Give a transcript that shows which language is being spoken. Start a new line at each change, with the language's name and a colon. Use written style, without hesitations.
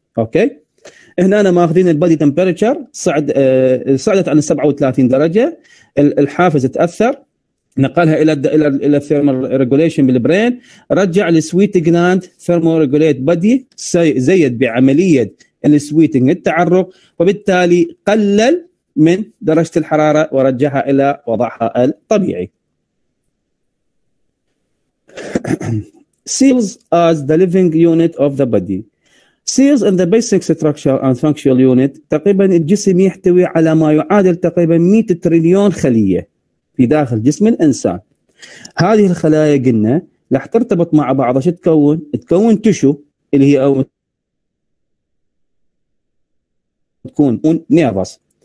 Arabic: أوكي، هنا أنا ماخذين البادي تمبريتشر، صعدت عن 37 درجة، الحافز تأثر، نقلها الى الى الثيرمال ريجوليشن بالبرين، رجع السويت جلاند ثيرمال ريجوليت بادي، زيد بعمليه السويتنج التعرق، وبالتالي قلل من درجه الحراره ورجعها الى وضعها الطبيعي.
English: Cells as the living unit of the body. Cells in the basic structure and functional unit.
Arabic: تقريبا الجسم يحتوي على ما يعادل تقريبا 100 تريليون خليه في داخل جسم الإنسان. هذه الخلايا قلنا راح ترتبط مع بعضها شو تكون؟ تكون تشو اللي هي او تكون نيرفس.